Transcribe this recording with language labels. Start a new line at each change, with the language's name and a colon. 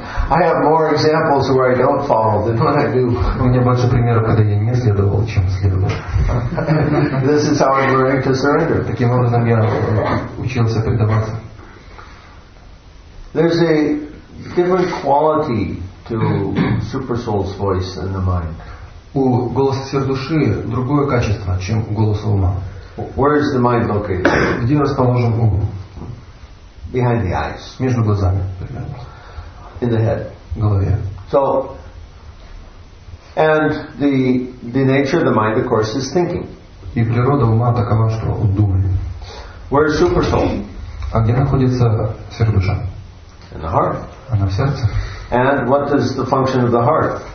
English: I have more examples where I don't follow than what I do.
Russian: У меня больше примеров, когда я не следовал, чем следовал.
English: This is how I learned to surrender.
Russian: Таким образом я учился предаваться.
English: There's a different quality to super soul's voice in the mind.
Russian: У голоса сверхдуши другое качество, чем у голоса ума.
English: Where is the mind located?
Russian: Где расположен ум?
English: Behind the eyes.
Russian: Между глазами, примерно.
English: In the head.
Russian: Голове.
English: So, and the nature of the mind, of course, is thinking.
Russian: И природа ума такова, что он думает.
English: Where is super soul?
Russian: А где находится сверхдуша?
English: In the heart.
Russian: Она в сердце.
English: And what is the function of the heart?